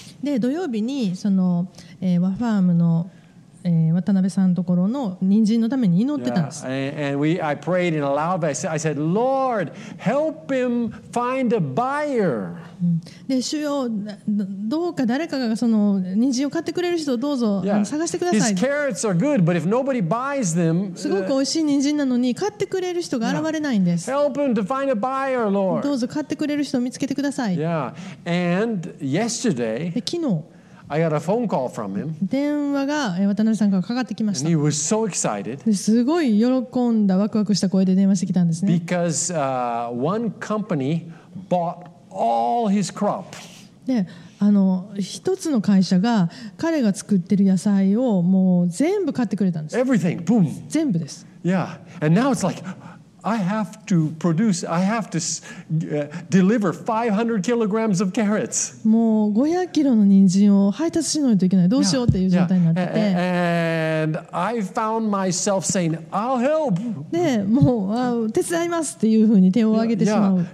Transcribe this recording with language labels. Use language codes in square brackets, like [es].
[ja] で土曜日にその、ワファームの、渡辺さんのところの人参のために祈ってたんです。 [en] Yeah. I prayed in a loud voice. I said, Lord, help him find a buyer. [ja] で主よどうか誰かがその人参を買ってくれる人をどうぞ、yeah. 探してください。 [en] His carrots are good, but if nobody buys them, [ja] すごく美味しい人参なのに買ってくれる人が現れないんです。 [en] Yeah. Help him to find a buyer, Lord. [ja] どうぞ買ってくれる人を見つけてください。 [en] Yeah. And yesterday, [ja] 昨日、 [en] I got a phone call from him. [ja] 電話が渡辺さんからかかってきました。 [en] And he was so excited. [ja] すごい喜んだワクワクした声で電話してきたんですね。 [en] Because one company bought All his crop. [ja] で、あの一つの会社が彼が作ってる野菜をもう全部買ってくれたんです。 [en] Everything, boom. [ja] 全部です。 [en] Yeah, and now it's like I have to produce, I have to deliver 500 kilograms of carrots. [ja] もう500キロの人参を配達しないといけない。どうしようっていう状態になってて。 [en] Yeah. And I found myself saying, I'll help. [ja] で、もう手伝いますっていうふうに手を挙げてしまう。